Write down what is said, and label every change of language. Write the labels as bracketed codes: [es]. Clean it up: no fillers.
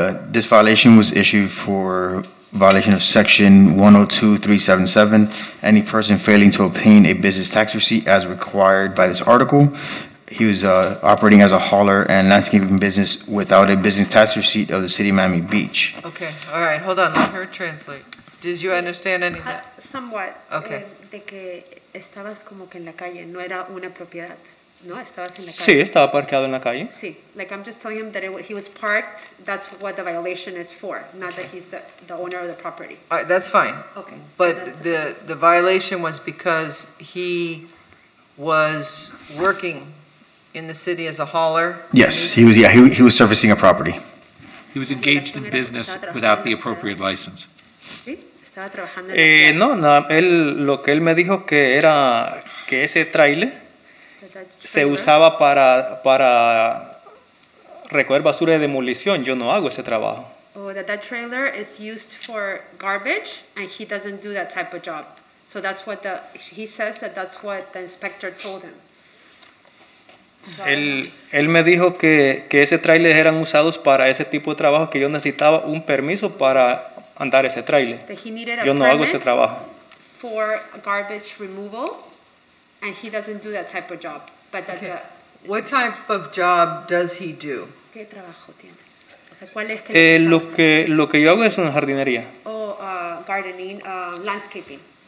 [en] This violation was issued for violation of section 102.377, any person failing to obtain a business tax receipt as required by this article. He was operating as a hauler and landscaping business without a business tax receipt of the City of Miami Beach. Okay. All right. Hold on. Let her translate. Did you understand any of that? Somewhat. Okay. [es] De que estabas como que en la calle. No era una propiedad. No, estabas en la calle. Sí, estaba parqueado en la calle. Sí. [en] Like, I'm just telling him that he was parked. That's what the violation is for. Not okay. That he's the owner of the property. All right. That's fine. Okay. But the violation was because he was working in the city as a hauler? Yes, he was. Yeah, he was servicing a property. He was engaged in business without the appropriate license. [es] No, él lo que él me dijo que era que ese trailer se usaba para recoger basura de demolición. Yo no hago ese trabajo. [en] Oh, that trailer is used for garbage, and he doesn't do that type of job. So that's what he says that that's what the inspector told him. [es] Él me dijo que ese tráiler eran usados para ese tipo de trabajo, que yo necesitaba un permiso para andar ese tráiler. Yo no hago ese trabajo. [en] For garbage removal, and he doesn't do that type of job. But that, okay. What type of job does he do? [es] ¿Qué trabajo tienes? O sea, ¿cuál es que lo que yo hago es una jardinería. [en] Gardening, landscaping.